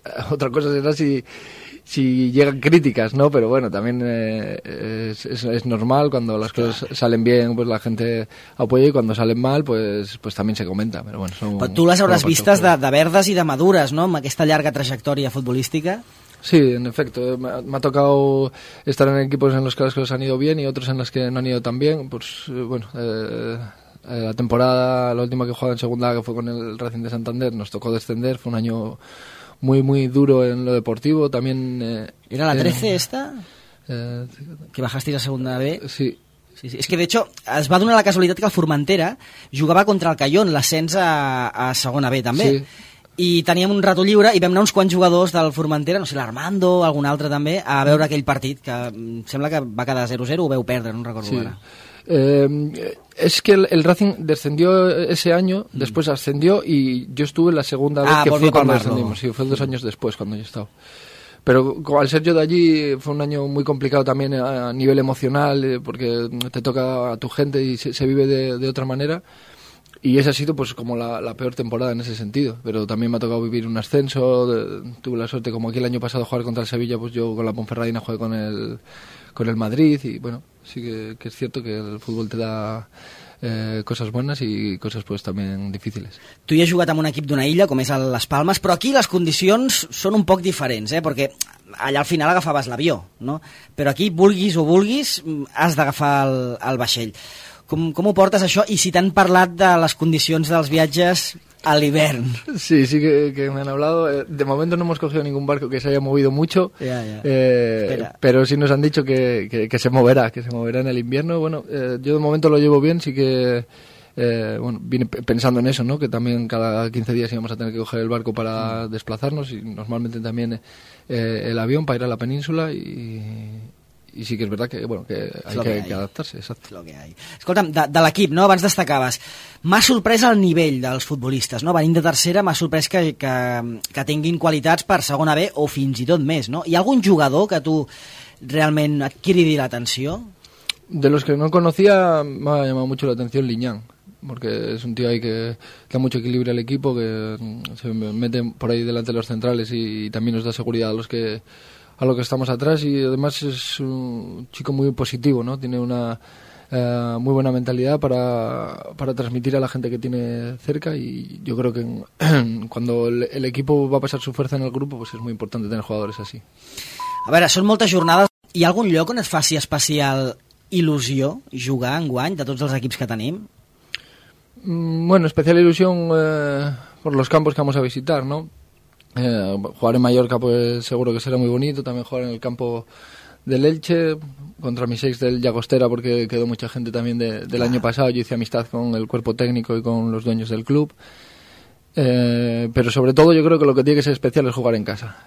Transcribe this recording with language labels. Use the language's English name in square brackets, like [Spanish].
[Spanish] Otra cosa será si llegan críticas, ¿no? Pero bueno, también es normal, cuando las cosas salen bien, pues la gente apoya, y cuando salen mal, pues también se comenta. Pero bueno, [Catalan] però tu les hauràs vistes de verdes i de madures, no?, amb aquesta llarga trajectòria futbolística. [Spanish] Sí, en efecto, me ha tocado estar en equipos en los que las cosas han ido bien y otros en los que no han ido tan bien. Pues bueno, la temporada, la última que jugaba en segunda, que fue con el Racing de Santander, nos tocó descender, fue un año muy muy duro en lo deportivo también. ¿Era la 13 esta? Que bajasteis a segunda B. Sí, [Catalan] Sí, sí. És que, [Spanish] de hecho, [Catalan] es va donar la casualitat que el Formentera jugava contra el Cayón, l'ascens a segona B, també. Sí. I teníem un rato lliure i vam anar uns quants jugadors del Formentera, no sé, l'Armando, algun altre també, a veure aquell partit, que sembla que va quedar 0-0, ho veu perdre, no recordo ara. [Spanish] Es que el Racing descendió ese año, después ascendió y yo estuve la segunda vez que fue cuando descendimos. Sí, fue dos años después cuando yo estaba. Pero al ser yo de allí fue un año muy complicado también a nivel emocional, porque te toca a tu gente y se vive de otra manera. Y esa ha sido pues como la peor temporada en ese sentido. Pero también me ha tocado vivir un ascenso. Tuve la suerte, como aquí el año pasado, jugar contra el Sevilla, pues yo con la Ponferradina jugué con el Madrid. Y bueno, sí que es cierto que el fútbol te da cosas buenas y cosas pues también difíciles. [Catalan] Tu ja has jugat amb un equip d'una illa, com és Les Palmes, però aquí les condicions són un poc diferents, perquè allà al final agafaves l'avió, no? Però aquí, vulguis o vulguis, has d'agafar el vaixell. Com ho portes, això, i si t'han parlat de les condicions dels viatges a l'hivern? [Spanish] Sí, sí que me han hablado. De momento no hemos cogido ningún barco que se haya movido mucho. Pero sí nos han dicho que se moverá en el invierno. Bueno, yo de momento lo llevo bien, sí que... bueno, vine pensando en eso, ¿no? Que también cada 15 días íbamos a tener que coger el barco para desplazarnos, y normalmente también el avión para ir a la península. Y sí que es verdad que, bueno, que hay que adaptarse, exacto. Es lo que hay. [Catalan] Escolta'm, de l'equip, no? Abans destacaves. M'ha sorprès el nivell dels futbolistes, no? Venint de tercera, m'ha sorprès que tinguin qualitats per segona B o fins i tot més, no? Hi ha algun jugador que tu realment et cridi l'atenció? [Spanish] De los que no conocía, me ha llamado mucho la atención Liñán, porque es un tío ahí que da mucho equilibrio al equipo, que se mete por ahí delante de los centrales y también nos da seguridad a los que estamos atrás, y además es un chico muy positivo, ¿no? Tiene una muy buena mentalidad para transmitir a la gente que tiene cerca, y yo creo que cuando el equipo va a pasar su fuerza en el grupo, pues es muy importante tener jugadores así. A ver, son muchas jornadas. [Catalan] ¿Hi ha algún lloc on et faci especial il·lusió jugar enguany de tots els equips que tenim? [Spanish] Bueno, especial ilusión por los campos que vamos a visitar, ¿no? Jugar en Mallorca, pues seguro que será muy bonito. También jugar en el campo del Elche contra mis ex del Llagostera, porque quedó mucha gente también del año pasado. Yo hice amistad con el cuerpo técnico y con los dueños del club. Pero sobre todo, yo creo que lo que tiene que ser especial es jugar en casa.